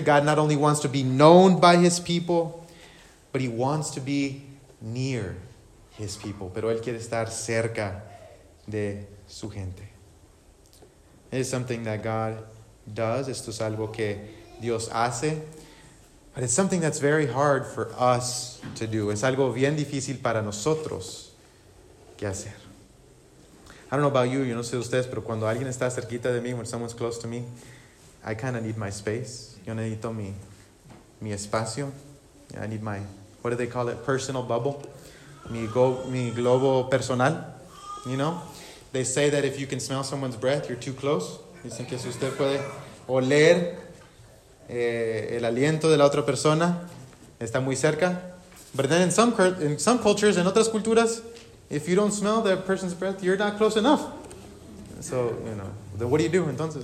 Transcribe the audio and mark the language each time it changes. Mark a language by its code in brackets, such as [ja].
[en] God not only wants to be known by his people, but he wants to be near his people. [es] Pero él quiere estar cerca de su gente. [en] It is something that God does. [es] Esto es algo que Dios hace. [en] But it's something that's very hard for us to do. [es] Es algo bien difícil para nosotros que hacer. [en] I don't know about you. [es] Yo no sé de ustedes, pero cuando alguien está cerquita de mí, [en] when someone's close to me, [es] I kind of need my space. Yo necesito mi espacio. [en] I need my, what do they call it? Personal bubble. [es] Mi globo personal, [en] you know? They say that if you can smell someone's breath, you're too close. [es] Dicen que si usted puede oler el aliento de la otra persona, está muy cerca. [en] But then in some cultures, [es] en otras culturas, [en] if you don't smell that person's breath, you're not close enough. So, you know, then what do you do entonces?